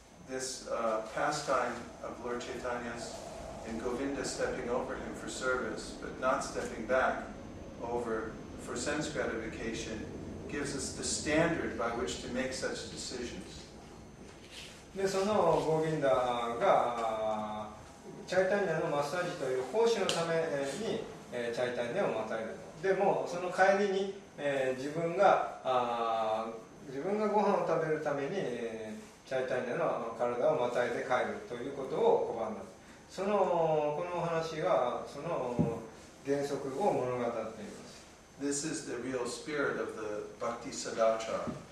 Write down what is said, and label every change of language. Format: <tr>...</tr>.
<en>This pastime of Lord Chaitanya's and Govinda stepping over him for service, but not stepping back over for sense gratification, gives us the standard by which to make such decisions.</en> <ja>で、そのゴビンダがチャイタニアのマッサージという奉仕のために。チャイタニアを待たれるの。でもその帰りに、自分がご飯を食べるために、チャイタニアの体をまたいで帰るということを拒んだ。そのこのお話はその原則を物語っています。</ja> <en>This is the real spirit of the Bhakti Sadachara.</en>